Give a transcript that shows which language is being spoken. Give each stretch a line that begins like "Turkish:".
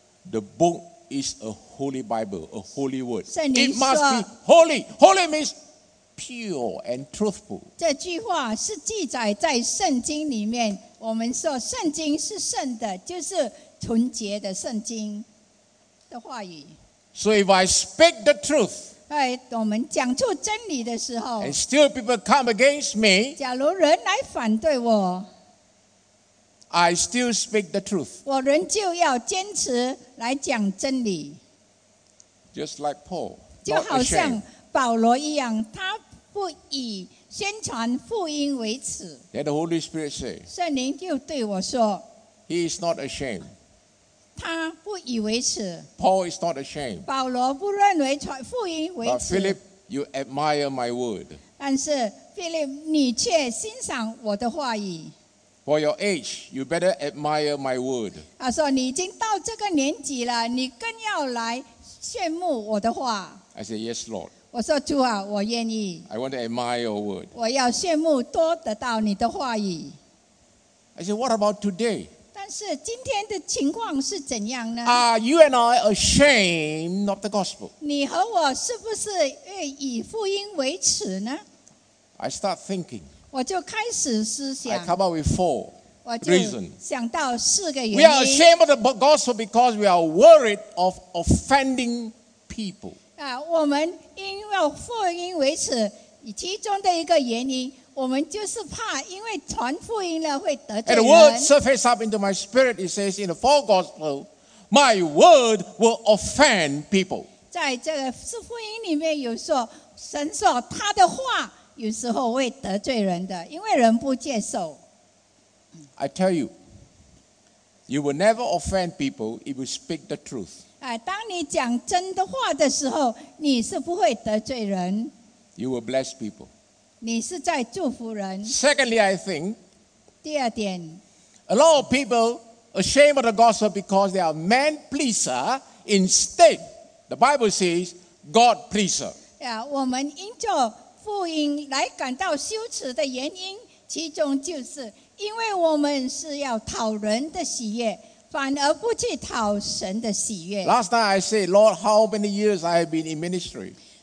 English: The book is a holy Bible, a holy word.
Chinese: 圣灵说,
English: it must be holy. Holy means pure and truthful.
Chinese: 这句话是记载在圣经里面, 我们说圣经是圣的, 就是纯洁的圣经的话语。
English: So if I speak the truth,
Chinese: 我们讲出真理的时候,
English: and still people come against me,
Chinese: 假如人来反对我,
English: I still speak the truth.
Chinese: 我仍旧要坚持来讲真理。
English: Just like Paul,
Chinese: 就好像保罗一样, 他不以宣传福音为耻。
English: Then the Holy Spirit say,
Chinese: 圣灵就对我说,
English: he is not ashamed.
Chinese: 他不以为耻。
English: Paul is not ashamed.
Chinese: 保罗不认为福音为耻。
English: But Philip, you admire my word.
Chinese: 但是,Philip, 你却欣赏我的话语。
English: For your age, you better admire my word.
Chinese: 他说你已经到这个年纪了，你更要来羡慕我的话。
English: I say yes, Lord.
Chinese: 我说主啊，我愿意。
English: I want to admire your word.
Chinese: 我要羡慕多得到你的话语。
English: I say, what about today?
Chinese: 但是今天的情况是怎样呢？
English: Are you and I ashamed of the gospel?
Chinese: 你和我是不是以福音为耻呢？
English: I start thinking.
Chinese: 我就开始思想。
English: I come up with four reasons.
Chinese: 我就想到四个原因。
English: We are ashamed of the gospel because we are worried of offending people.
Chinese: 我们因为福音为耻，其中的一个原因，我们就是怕因为传福音了会得罪人。
English: And the word surfaced up into my spirit. It says in the four gospel, my word will offend people.
Chinese: 在这个四福音里面有说，神说他的话。有时候会得罪人的，因为人不接受。
English: I tell you, you will never offend people if you speak the truth.
Chinese: 当你讲真的话的时候，你是不会得罪人。
English: You will bless people.
Chinese: 你是在祝福人。
English: Secondly, I think.
Chinese: 第二点。
English: A lot of people ashamed of the gospel because they are man pleaser. Instead, the Bible says God pleaser.
Chinese: 我们因着福音来感到羞耻的原因，其中就是因为我们是要讨人的喜悦，反而不去讨神的喜悦。
English: Last night I said, Lord, how many years I have been in ministry?